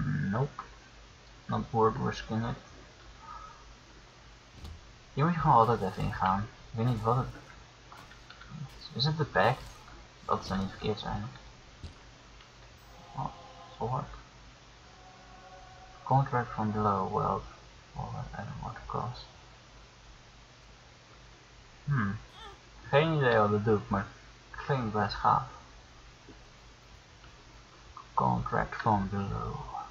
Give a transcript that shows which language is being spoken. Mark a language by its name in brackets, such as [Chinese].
[English] Nope. Not worth risking it. [Dutch] Hier moet je gewoon altijd even ingaan. Ik weet niet wat het. Is het de pack? Dat zou niet verkeerd zijn. [English] Oh, fuck. Contract from the lower world. Well, I don't know what it costs. [Dutch] Geen idee wat het doet, maar klinkt best gaaf. [English] Contract from the lower.